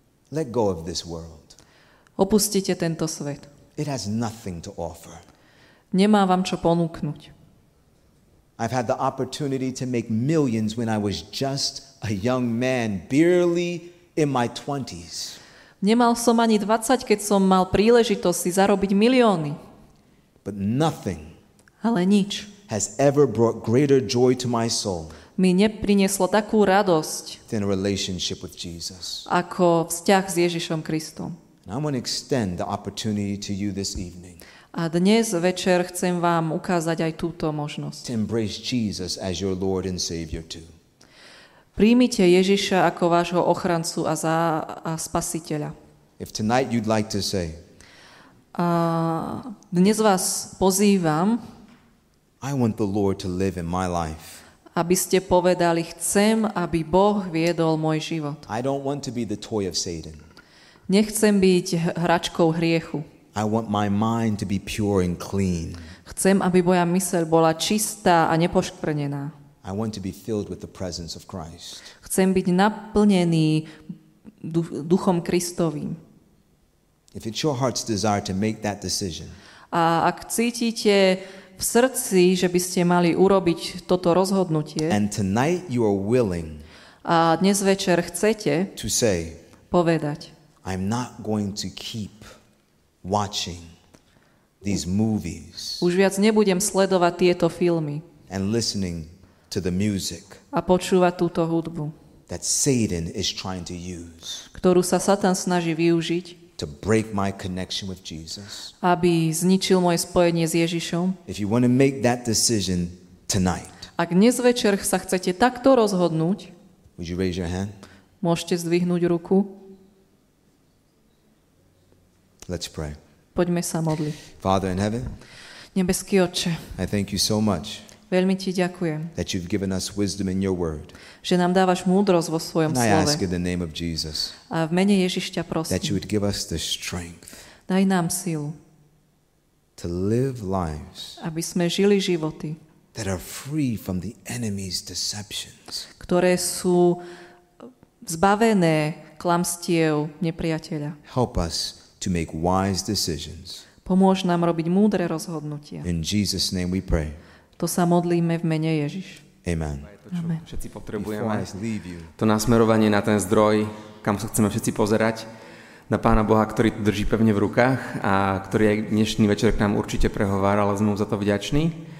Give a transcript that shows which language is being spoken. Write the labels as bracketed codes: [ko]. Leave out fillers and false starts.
[en] Let go of this world. [sk] Opustite tento svet. [en] It has nothing to offer. [sk] Nemá vám čo ponúknuť. [en] I've had the opportunity to make millions when I was just a young man, barely in my 20s. [sk] Nemal som ani 20, keď som mal príležitosť si zarobiť milióny. [en] But nothing, [sk] ale nič, [en] has ever brought greater joy to my soul, [sk] mi neprinieslo takú radosť, [en] than a relationship with Jesus, [sk] ako vzťah s Ježišom Kristom. [en] And I'm going to extend the opportunity to you this evening, [sk] a dnes večer chcem vám ukázať aj túto možnosť, [en] to embrace Jesus as your Lord and Savior too. [sk] Príjmite Ježiša ako vášho ochrancu a spasiteľa. [en] If tonight you'd like to say, [sk] a dnes vás pozývam, [en] I want the Lord to live in my life, [sk] aby ste povedali, chcem, aby Boh viedol môj život. [en] I don't want to be the toy of Satan. [sk] Nechcem byť hračkou hriechu. [en] I want my mind to be pure and clean. [sk] Chcem, aby moja myseľ bola čistá a nepoškvrnená. [en] I want to be filled with the presence of Christ. [sk] Chcem byť naplnený duchom Kristovým. [en] If it's your heart's desire to make that decision, [sk] a ak cítite v srdci, že by ste mali urobiť toto rozhodnutie, [en] and tonight you are willing, [sk] a dnes večer chcete, [en] to say, [sk] povedať, [en] I'm not going to keep watching these movies, [sk] už viac nebudem sledovať tieto filmy, [en] and listening to the music, [sk] a počúvať túto hudbu, [en] that Satan is trying to use, [sk] ktorú sa Satan snaží využiť, [en] to break my connection with Jesus. [sk] Aby zničil moje spojenie s Ježišom. [en] If you want to make that decision tonight. [sk] Ak dnes večer sa chcete takto rozhodnúť. [en] Would you raise your hand? [sk] Môžete zdvihnúť ruku. [en] Let's pray. [sk] Poďme sa modliť. [en] Father in heaven. [sk] Nebeský Otče. [en] I thank you so much. [sk] Veľmi ti ďakujem. [en] That you've given us wisdom in your word. [sk] Že nám dávaš múdrosť vo svojom [en] and [sk] slove. [en] And I ask in the name of Jesus. [sk] A v mene Ježišťa prosím. [en] That you would give us the strength. [sk] Daj nám silu. [en] To live lives. [sk] Aby sme žili životy. [en] That are free from the enemy's deceptions. [sk] Ktoré sú zbavené klamstiev nepriateľa. [en] Help us to make wise decisions. [sk] Pomôž nám robiť múdre rozhodnutia. [en] In Jesus name we pray. [sk] To sa modlíme v mene Ježiš. [en] Amen. [sk] Amen. Všetci potrebujeme to nasmerovanie na ten zdroj, kam sa chceme všetci pozerať, na Pána Boha, ktorý to drží pevne v rukách a ktorý aj dnešný večer k nám určite prehovára, ale sme mu za to vďační.